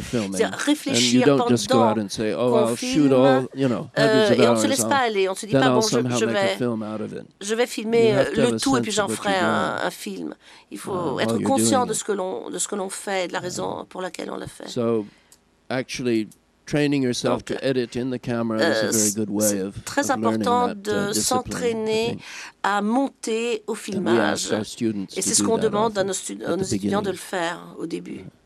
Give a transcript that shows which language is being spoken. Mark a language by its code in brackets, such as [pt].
[fr] C'est-à-dire réfléchir pendant qu'on filme, et on ne se laisse pas aller, on ne se dit pas, bon, je vais filmer le tout et puis j'en ferai un film. Il faut être conscient de ce que l'on fait, de la raison pour laquelle on l'a fait. [en] Actually, training yourself to edit in the camera is a very good way of learning that discipline. [fr] À monter au filmage. Et c'est ce qu'on demande à nos étudiants de le faire au début.